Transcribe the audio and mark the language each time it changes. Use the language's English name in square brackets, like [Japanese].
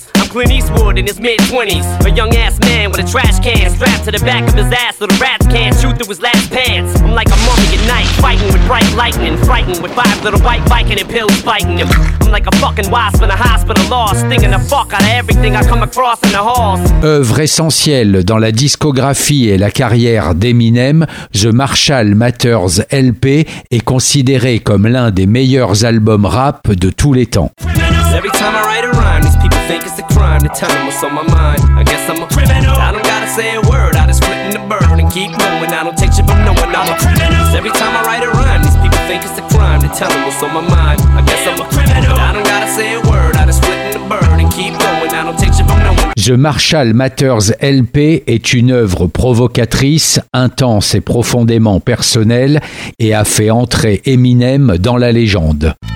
[English] Clint Eastwood in his mid-20s. A young ass man with a trash can strapped to the back of his ass so the rats can't shoot through his last pants. I'm like a mummy at night, fighting with bright lightning, frightened with five little white Viking and pills biting him. I'm like a fucking wasp in a hospital lost, stinging the fuck out of everything I come across in the halls. [French] Œuvre essentielle dans la discographie et la carrière d'Eminem, The Marshall Mathers LP est considéré comme l'un des meilleurs albums rap de tous les temps. [English] Every time I write a rhyme, these people think it's a crime to tell them what's on my mind. I guess I'm a criminal. I don't gotta say a word, I just flip in the bird and keep moving. I don't take shit from no one, I'm a criminal. Every time I write a rhyme, these people think it's a crime to tell them what's on my mind. I guess I'm a criminal. I don't gotta say a word, I just flip in the bird and keep going. I don't take shit from no one. [French] The Marshall Mathers LP est une œuvre provocatrice, intense et profondément personnelle, et a fait entrer Eminem dans la légende.